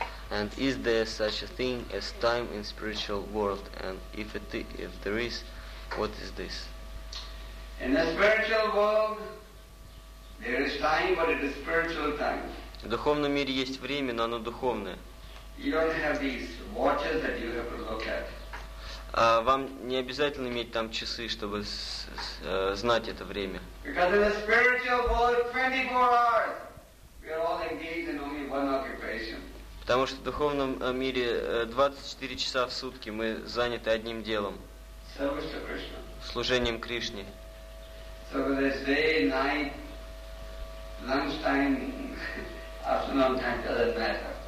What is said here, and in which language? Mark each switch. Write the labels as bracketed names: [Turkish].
[English] And is there such a thing as time in spiritual world? And if there is, what is this? In the spiritual world, there is time, but it is spiritual time. [Russian] В духовном мире есть время, но оно духовное. [English] You don't have these watches that you have to look at. [Russian] Вам не обязательно иметь там часы, чтобы знать это время. [English] Because in the spiritual world, 24 hours, we are all engaged in only one occupation. [Russian] Потому что в духовном мире 24 часа в сутки мы заняты одним делом. [English] Service to Krishna. [Russian] Служением Кришне. [English] So there's day, night, lunchtime, afternoon time, doesn't matter.